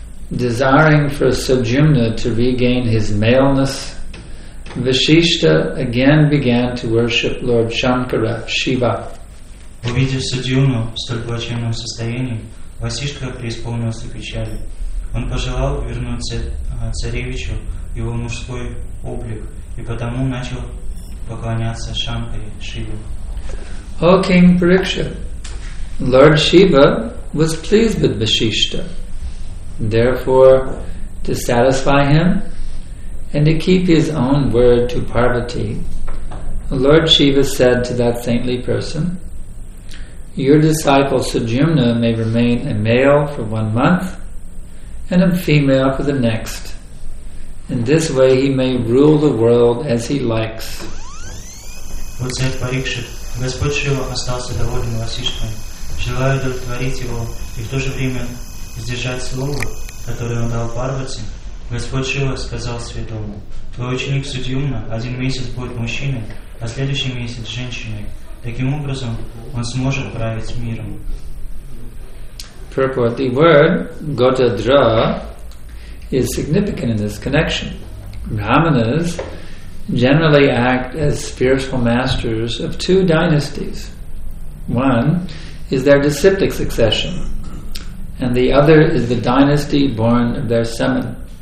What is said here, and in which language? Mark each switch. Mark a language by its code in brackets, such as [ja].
[en] Desiring for Sujumna to regain his maleness, Vashishta again began to worship Lord Shankara, Shiva. [ru] Увидев Судьюмну в столь плачевном состоянии, Васишка преисполнился печали. Он пожелал вернуться царевичу его мужской облик и потому начал поклоняться Шанкаре, Шиве. [en] О, King Parikshit, Lord Shiva was pleased with Vashishta. Therefore, to satisfy him and to keep his own word to Parvati, Lord Shiva said to that saintly person, "Your disciple Sujumna may remain a male for 1 month and a female for the next. In this way he may rule the world as he likes." [ru] Вот царь Парикшит, Господь Шива остался доволен Васиштхой, желая удовлетворить его и в то же время сдержать слово, которое он дал Парвати. Господь Шива сказал святому, "Твой ученик Сужумна 1 месяц будет мужчиной, а следующий месяц женщиной. Таким образом, он сможет править миром." [en] Purport. The word Gotadra is significant in this connection. Brahmanas generally act as spiritual masters of 2 dynasties. One is their disciplic succession, and the other is the dynasty born of their semen.